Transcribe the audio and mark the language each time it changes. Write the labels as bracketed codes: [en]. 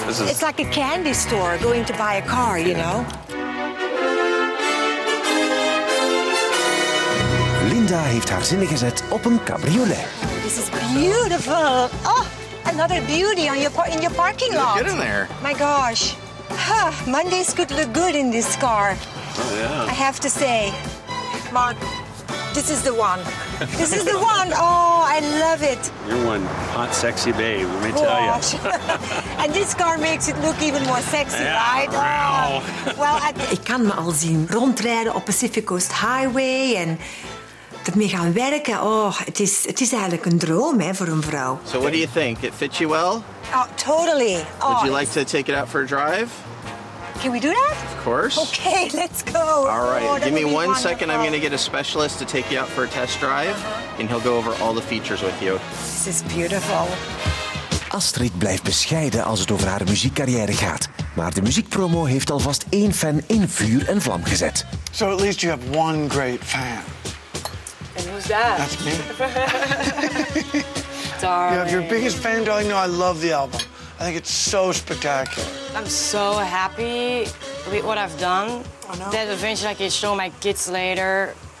[en] It's like a candy store going to buy a car, you know? [nl] Linda heeft haar zinnen gezet op een cabriolet. [en] This is beautiful. Oh, another beauty on your in your parking lot. Get in there. My gosh. Huh, Mondays could look good in this car. Oh, yeah. I have to say. Come on, this is the one. This is the one. Oh, I love it. You're one hot, sexy babe, let me tell you. And this car makes it look even more sexy, yeah, right? Wow. Oh. Well, [nl] ik kan me al zien rondrijden op Pacific Coast Highway en ermee gaan werken. Oh, het is eigenlijk een droom, hè, voor een vrouw. [en] So what do you think? It fits you well? Oh, totally. Would you like to take it out for a drive? Can we do that? Of course. Okay, let's go. All right, give me one second. I'm going to get a specialist to take you out for a test drive. And he'll go over all the features with you. This is beautiful. [nl] Astrid blijft bescheiden als het over haar muziekcarrière gaat. Maar de muziekpromo heeft alvast één fan in vuur en vlam gezet. [en] So at least you have one great fan. And who's that? That's me. Sorry. You have your biggest fan, darling. No, I love the album. I think it's so spectacular. I'm so happy with what I've done. I know. That eventually I can show my kids later.